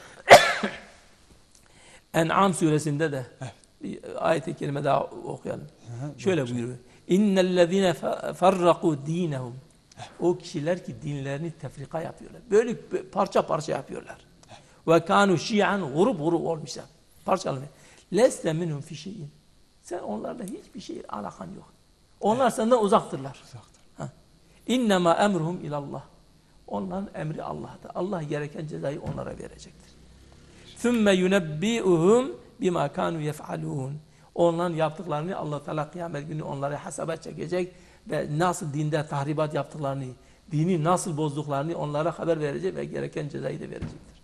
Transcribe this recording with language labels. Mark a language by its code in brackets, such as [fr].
[tr] doğru. En'am suresinde de. Evet. Bir ayet-i kerime daha okuyalım. Hı, şöyle buyuruyor. [ar] اِنَّ الَّذ۪ينَ فَرَّقُوا د۪ينَهُمْ [tr] O kişiler ki dinlerini tefrika yapıyorlar. Böyle parça parça yapıyorlar. [ar] وَكَانُوا شِيَعًا [tr] غُرُبْ غُرُبْ olmuşlar. Parçalamıyor. [ar] لَسْتَ مِنْهُمْ فِي شَيْءٍ [tr] Sen onlarla hiçbir şey alakan yok. Onlar senden uzaktırlar. Uzaktır. [ar] اِنَّمَا اَمْرُهُمْ اِلَى اللّٰهِ [tr] Onların emri Allah'ta. Allah gereken cezayı onlara verecektir. [ar] ثُمَّ يُنَبِّئُهُمْ bima kanu yefalun [tr] onların yaptıklarını Allah Teala kıyamet günü onları hesaba çekecek ve nasıl dinde tahribat yaptıklarını dini nasıl bozduklarını onlara haber verecek ve gereken cezayı da verecektir.